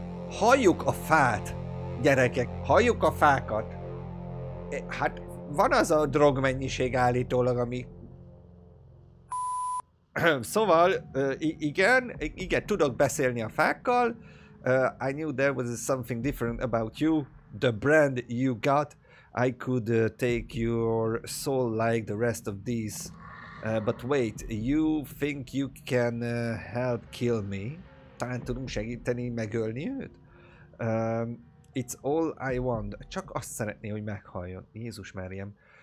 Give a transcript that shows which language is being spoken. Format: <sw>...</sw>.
<hu>Halljuk a fát, gyerekek, halljuk a fákat. Hát van az a drogmennyiség állítólag, ami... Szóval, igen, tudok beszélni a fákkal.</hu> <en>I knew there was something different about you. The brand you got. I could take your soul like the rest of these. But wait, you think you can help kill me?</en> <hu>Talán tudunk segíteni megölni őt?</hu> <en>It's all I want.</en> <hu>Csak azt szeretné, hogy meghalljon. Jézus Máriám.</hu>